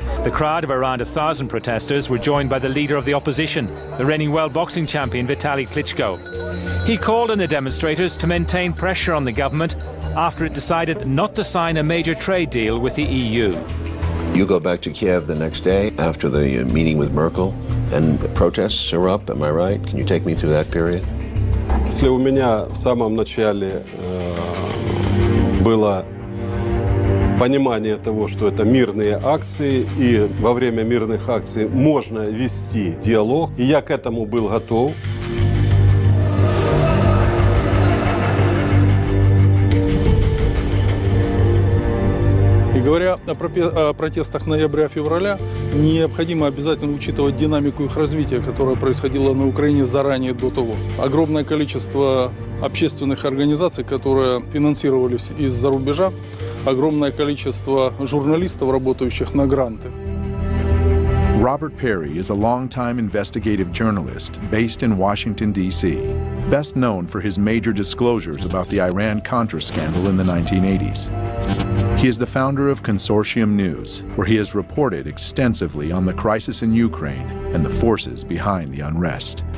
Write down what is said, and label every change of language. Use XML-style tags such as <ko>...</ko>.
<en>The crowd of around 1,000 protesters were joined by the leader of the opposition, the reigning world boxing champion Vitali Klitschko. He called on the demonstrators to maintain pressure on the government after it decided not to sign a major trade deal with the EU. You go back to Kiev the next day after the meeting with Merkel, and the protests are up, am I right? Can you take me through that period?</en> <ru>Если у меня в самом начале было понимание того, что это мирные акции, и во время мирных акций можно вести диалог, и я к этому был готов. Говоря о протестах ноября-февраля, необходимо обязательно учитывать динамику их развития, которая происходила на Украине заранее до того. Огромное количество общественных организаций, которые финансировались из-за рубежа, огромное количество журналистов, работающих на гранты.</ru> <en>Robert Perry is a longtime investigative journalist based in Washington, D.C., best known for his major disclosures about the Iran-Contra scandal in the 1980s. He is the founder of Consortium News, where he has reported extensively on the crisis in Ukraine and the forces behind the unrest.</en>